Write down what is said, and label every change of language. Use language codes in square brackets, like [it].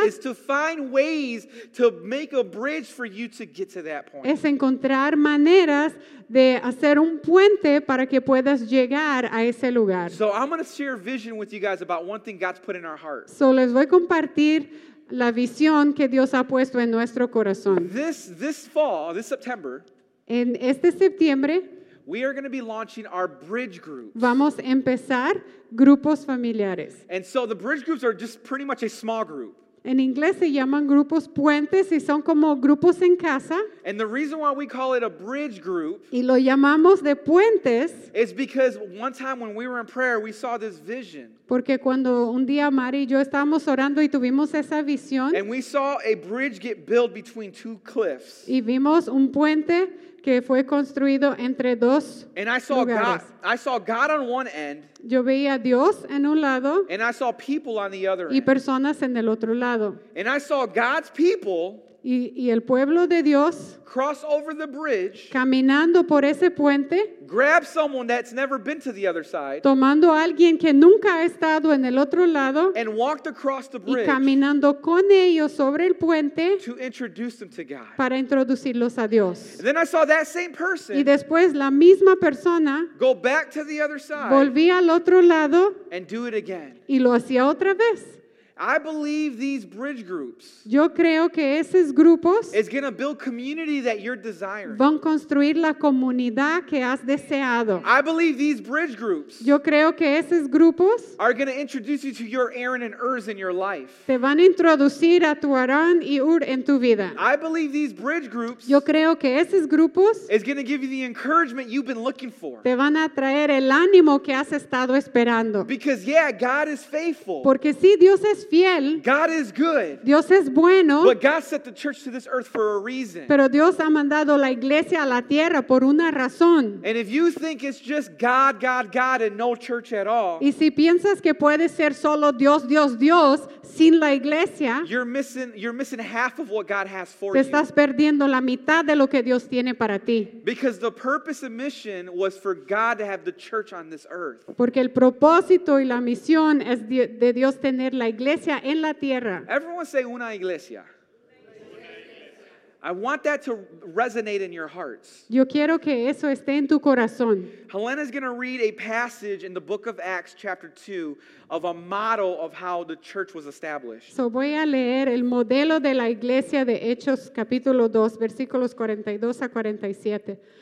[en] Is to find ways to make a bridge for you to get to that point. [es] Es encontrar maneras de hacer un puente para que puedas llegar a ese lugar. [en] So I'm going to share a vision with you guys about one thing God's put in our heart. [es] So les voy a compartir la visión que Dios ha puesto en nuestro corazón. [en] This fall, this September. [es] En este septiembre. [en] We are going to be launching our bridge groups. [es] Vamos a empezar grupos familiares. [en] And so the bridge groups are just pretty much a small group. [es] En inglés se llaman grupos puentes y son como grupos en casa. [en] And the reason why we call it a bridge group. [es] Y lo llamamos de puentes. [en] Is because one time when we were in prayer, we saw this vision. [es] Porque cuando un día Mari y yo estábamos orando y tuvimos esa visión. [en] And we saw a bridge get built between two cliffs. [es] Y vimos un puente que fue construido entre dos [en] and I saw [es] lugares. [en] God, I saw God on one end. [es] Yo veía a Dios en un lado. [en] And I saw people on the other [es] y personas [en] end. [es] En el otro lado. [en] And I saw God's people. [es] y el pueblo de Dios [en] cross over the bridge, [es] caminando por ese puente, [en] grab someone that's never been to the other side, [es] tomando a alguien que nunca ha estado en el otro lado, [en] and walked across the bridge, [es] y caminando con ellos sobre el puente, [en] to introduce them to God, [es] para introducirlos a Dios. [en] And then I saw that same person, [es] y después la misma persona, [en] go back to the other side, [es] volví al otro lado, [en] and do it again, [es] y lo hacía otra vez. [en] I believe these bridge groups, [es] yo creo que esos grupos, [en] is going to build community that you're desiring. [es] Van construir la comunidad que has deseado. [en] I believe these bridge groups, [es] yo creo que esos grupos, [en] are going to introduce you to your Aaron and Urs in your life. [es] Te van a introducir a tu Aarón y Ur en tu vida. [en] I believe these bridge groups, [es] yo creo que esos grupos, [en] is going to give you the encouragement you've been looking for. [es] Te van a traer el ánimo que has estado esperando. [en] Because yeah, God is faithful. [es] Porque sí, Dios es fiel. [en] God is good. [es] Dios es bueno. [en] But God set the church to this earth for a reason. [es] Pero Dios ha mandado la iglesia a la tierra por una razón. [en] And if you think it's just God, God, God and no church at all, [es] y si piensas que puede ser solo Dios, Dios, Dios sin la iglesia, [en] you're missing half of what God has for you. [es] Te estás perdiendo la mitad de lo que Dios tiene para ti. [en] Because the purpose and mission was for God to have the church on this earth. [es] Porque el propósito y la misión es de Dios tener la iglesia en la tierra. [en] Everyone say [es] una iglesia. [en] I want that to resonate in your hearts. [es] Yo quiero que eso esté en tu corazón. [en] Helena is going to read a passage in the book of Acts chapter 2 of a model of how the church was established. [es] So voy a leer el modelo de la iglesia de Hechos capítulo 2 versículos 42 a 47.